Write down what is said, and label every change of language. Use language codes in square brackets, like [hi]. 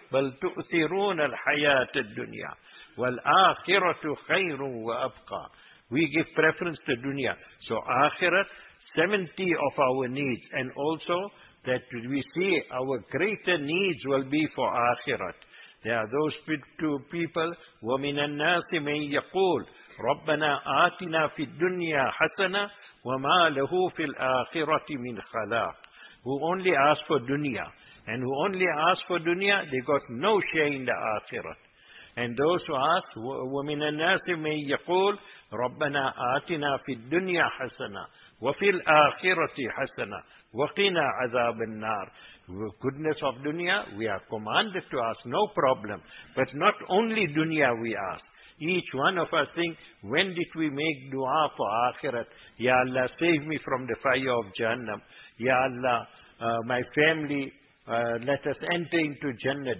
[ar] بَلْ تُؤْثِرُونَ الْحَيَاةَ الدُّنْيَا وَالْآخِرَةُ خَيْرٌ وَأَبْقَى. [en] We give preference to dunya. So akhirat, 70 of our needs, and also that we see our greater needs will be for akhirat. There are those two people, [ar] وَمِنَ النَّاسِ مَنْ يَقُولُ رَبَّنَا آتِنَا فِي الدُّنْيَا حَسَنَا وَمَا لَهُ فِي الْآخِرَةِ مِنْ خَلَاقٍ. [en] Who only ask for dunya. And who only ask for dunya, they got no share in the akhirat. And those who ask, [ar] وَمِنَ النَّاسِ مَنْ يَقُولُ رَبَّنَا آتِنَا فِي الدُّنْيَا حَسَنَا وَفِي الْآخِرَةِ حَسَنَا وَقِنَا عَذَابَ النَّارِ. [en] Goodness of dunya, we are commanded to ask, no problem. But not only dunya we ask. Each one of us think, when did we make dua for akhirat? Ya Allah, save me from the fire of Jahannam. Ya Allah, my family, let us enter into Jannah.